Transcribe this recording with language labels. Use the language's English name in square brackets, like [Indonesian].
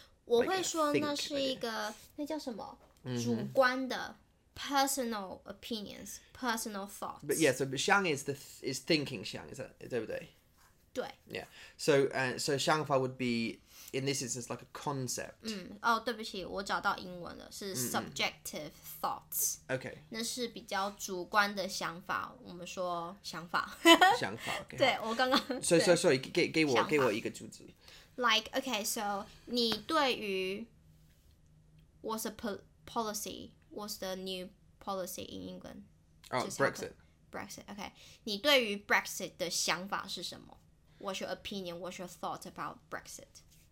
[Chinese] 我会说那是一个那叫什么、mm-hmm. 主观的 [English] personal opinions, personal thoughts. But yeah, so 想 is thinking 想, is that [Chinese] 对不对？对。 [English] Yeah. So, so 想法 would be, in this instance, like a concept. [Chinese] 哦、oh, 对不起，我找到英文了，是 [English] subjective thoughts. Okay. [Chinese] 那是比较主观的想法，我们说想法。想法。Okay. 对，我刚刚。所以，给我一个句子。 [English] Like, okay, so, [Chinese] 你对于 [English] what's the policy, what's the new policy in England? Oh, Brexit. [Chinese] Brexit, okay. 你对于 Brexit 的想法是什么? [English] What's your opinion, what's your thought about Brexit?